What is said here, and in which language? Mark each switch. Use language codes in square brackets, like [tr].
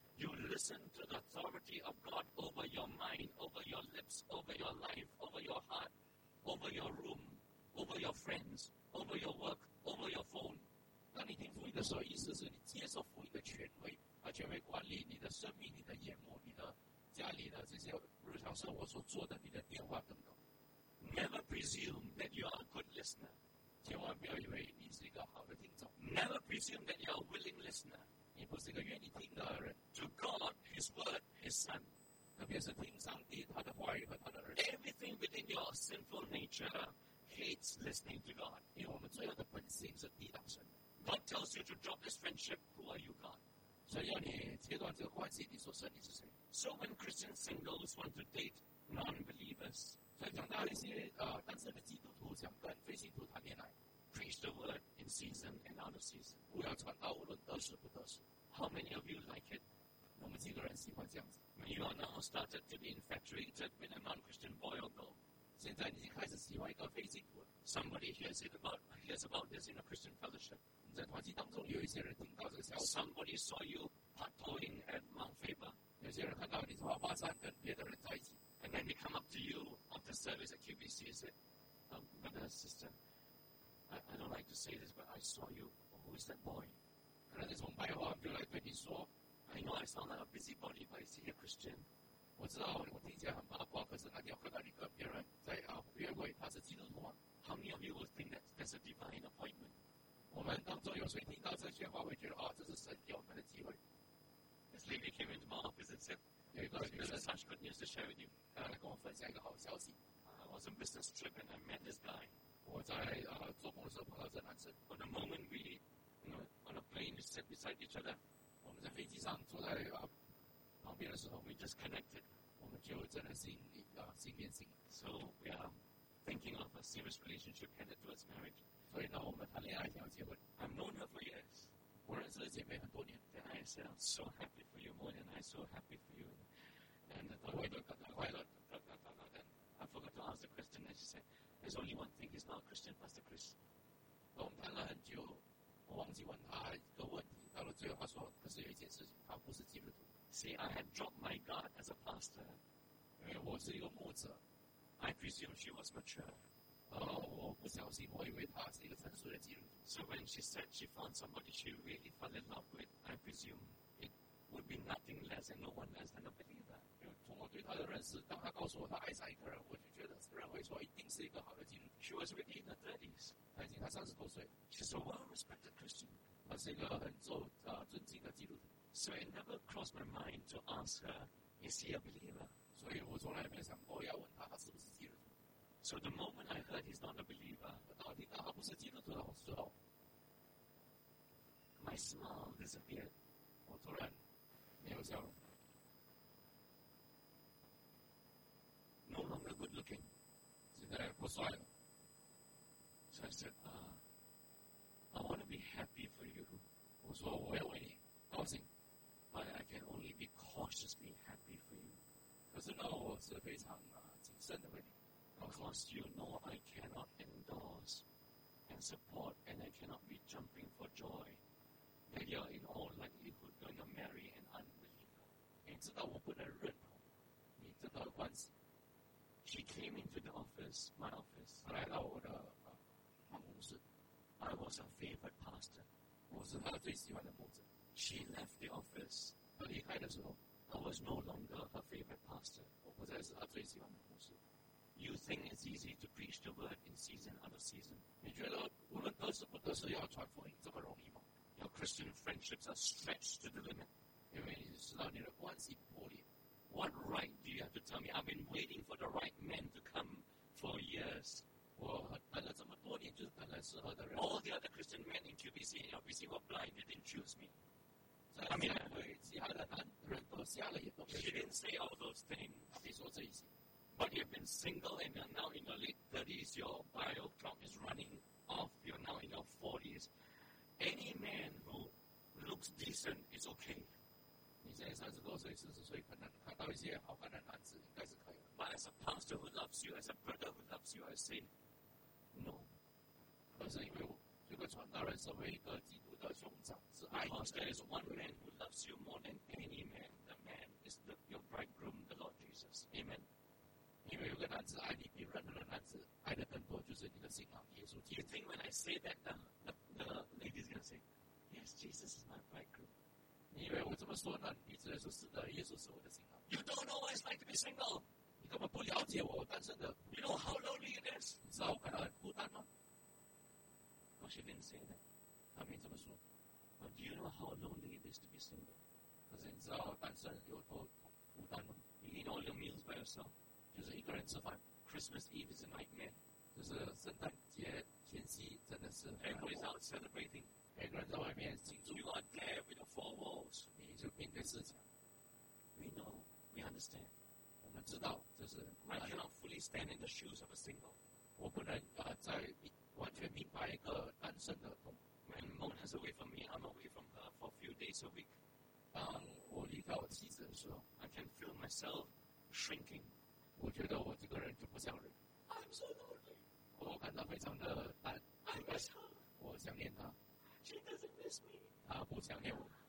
[en] You listen to the authority of God over your mind, over your lips, over your life, over your heart, over your room, over your friends, over your work, over your phone. [zh] 当你听福音的时候，意思是你接受福音的权威，而权威管理你的生命、你的眼目、你的家里的这些日常生活所做的、你的电话等等。 [en] Never presume that you are a good listener. [zh] 千万不要以为你是一个好的听众。 [en] Never presume that you are a willing listener. [zh] 你不是一个愿意听的人。 [en] To God, His Word, His Son, [zh] 特别是听上帝他的话语和他的儿子。 [en] Everything within your sinful nature hates listening to God. [zh] 因为我们罪恶的本性是抵挡神。 [en] God tells you to drop this friendship. Who are you, God? [zh] 所以要你切断这个关系。你说神你是谁 [en] ？So when Christian singles want to date non-believers, [zh] 所以讲到一些单身的基督徒想跟非信徒谈恋爱。 [en] Preach the word in season and out of season. [zh] 不要传道，无论得时不得时。 [en] How many of you like it? [zh] 我们几个人喜欢这样子。 [en] When you are now started to be infatuated with a non-Christian boy or girl, [zh] 现在你开始喜欢一个非信徒。 [en] Somebody hears about this in a Christian fellowship. [zh] 你在团契当中有一些人听到这个消息。 [en] Somebody saw you partying at Mount Faber. [zh] 有些人看到你在花花山跟别的人在一起。 [en] And then they come up to you after service at QBC and said, "Brother, sister." I don't like to say this, but I saw you. Who is that boy? [zh] 可能是从白话就来对你说 [en] I know I sound like a busybody, but is he a Christian? [zh] 我知道我听起来很八卦，可是那天我看到你跟别人在约会，他是基督徒。 [en] How many of you would think that's a divine appointment? [zh] 我们当中有谁听到这些话会觉得这是神给我们的机会 [en] This lady came into my office and said, There's such good news to share with you. [zh] 她来跟我分享一个好消息 [en] I was on a business trip and I met this guy. [zh] 我在做工的时候碰到这男生。 [en] On the moment we, you know, on a plane, we sat beside each other. [zh] 我们在飞机上坐在旁边的时候 [en] ，we just connected. [zh] 我们就真的心连心。 [en] So we are thinking of a serious relationship headed towards marriage. [zh] 所以呢，我们谈恋爱，想要结婚。 [en] I've known her for years. [zh] 我认识了姐妹很多年。 [en] And I said, I'm so happy for you, more than I'm so happy for you. And [zh] 我也都感到快乐。 [en] And I forgot to ask the question, and she said. There's only one thing he's not a Christian, Pastor Chris. [zh] 我们谈了很久，我忘记问他一个问题。到了最后，他说：“可是有一件事情，他不是基督徒。” [en] See, I had dropped my guard as a pastor. [zh] 因为我是一个牧者。 [en] I presume she was mature. [zh] 我不小心，我以为他是一个成熟的基督徒。 [en] So when she said she found somebody she really fell in love with, I presume it would be nothing less and no one less than a believer. [zh] 从我对他的认识，当他告诉我他爱上一个人，我就觉得认为说一定是一个好的基督徒。 [en] She was already in her thirties， [zh] 他已经三十多岁。 [en] She's a well-respected Christian， [zh] 他是一个很受尊敬的基督徒。 [en] So it never crossed my mind to ask her, "Is he a believer?" [zh] 所以我从来没想过要问他是不是基督徒。 [en] So the moment I heard he's not a believer， [zh] 当我听到他不是基督徒的时候 [en] My smile disappeared. [zh] 我突然没有笑容。 [en] No longer good looking. [zh] 现在不帅了。 [en] So I said, I want to be happy for you. [zh] 我说我要为你高兴。 [en] But I can only be cautiously happy for you. [zh] 可是呢，我是非常谨慎的为你。 [en] Because you know I cannot endorse and support, and I cannot be jumping for joy that you are in all likelihood going to marry an unbeliever. [zh] 你知道我不能认同你这个关系。 [en] She came into the office, my office. [zh] 来到我的办公室。 [en] I was her favorite pastor. [zh] 我是她最喜欢的牧者。 [en] She left the office. [zh] 她离开的时候 [en] I was no longer her favorite pastor. [zh] 我不再是她最喜欢的牧师。 [en] You think it's easy to preach the word in season out of season? [zh] 你觉得无论得时不得时要传福音这么容易吗？ [en] Your Christian friendships are stretched to the limit. [zh] 因为你知道你的关系破裂。 [en] What right do you have to tell me? I've been waiting for the right man to come for years. [zh] 我等了这么多年就是等了适合的人。 [en] All the other Christian men in QBC and LBC were blind. They didn't choose me. [zh] 在教会其他的男人都瞎了眼。 [en] She didn't say all those things. [zh] 她没说这一些。 [en] But you've been single and you're now in your late 30s. Your bio clock is running off. You're now in your 40s. Any man who looks decent is okay. [zh] 你现在三十多岁、四十岁，可能看到一些好看的男子，应该是可以的。 [en] But as a pastor who loves you, as a brother who loves you, I say no. [zh] 可是因为我这个传道人身为一个基督的兄长，是爱你的。 [en] Because there is one man who loves you more than any man. The man is your bridegroom, the Lord Jesus. Amen. [zh] 因为有个男子爱你比任何的男子爱的更多，就是你的新郎耶稣基督。 [en] You think when I say that, the lady is going to say, "Yes, Jesus is my bridegroom." [zh] 你以为我这么说呢？你直接说是的，耶稣是我的新郎。 [en] You don't know what it's like to be single. [zh] 你根本不了解我单身的。 [en] You know how lonely it is. [zh] 你知道我感到很孤单吗 [en] ？But she didn't say that. [zh] 她没这么说。 [en] But do you know how lonely it is to be single? [zh] 可是你知道单身有多孤单吗 [en] ？You eat all your meals by yourself. [zh] 就是一个人吃饭。 [en] Christmas Eve is a nightmare. [zh] 就是圣诞节前夕真的是。 [en] Everyone's out celebrating. [zh] 每个人在外面庆祝。 [en] You are there with the four walls. [zh] 你就面对四墙。 [en] We know. We understand. [zh] 我们知道这是。 [en] I cannot fully stand in the shoes of a single. [zh] 我不能在完全明白一个单身的痛。 [en] When Mona is away from me, I'm away from her for a few days a week. [zh] 当我离开我妻子的时候 [en] ，I can feel myself shrinking. [zh] 我觉得我这个人就不像人。 [en] I'm so lonely. [zh] 我感到非常的单。 [en] I miss her. [zh] 我想念她。 [en] She doesn't miss me. [zh] 她不想念我。